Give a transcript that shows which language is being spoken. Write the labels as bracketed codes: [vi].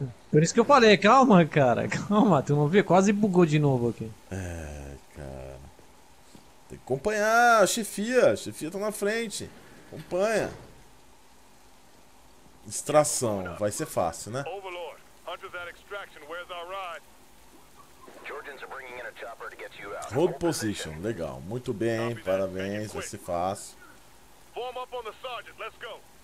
[pt] Por isso que eu falei, calma, cara, calma. Tu não viu? Quase bugou de novo aqui. É, cara. Tem que acompanhar a chefia. A chefia tá na frente. Acompanha. Extração, vai ser fácil, né? [en] Overlord, Hunter's at extraction, where's our ride? Jordan's bringing in a chopper to get you out. Hold position, [pt] legal, muito bem, parabéns, vai ser fácil. [en] Form up on the sergeant, let's go.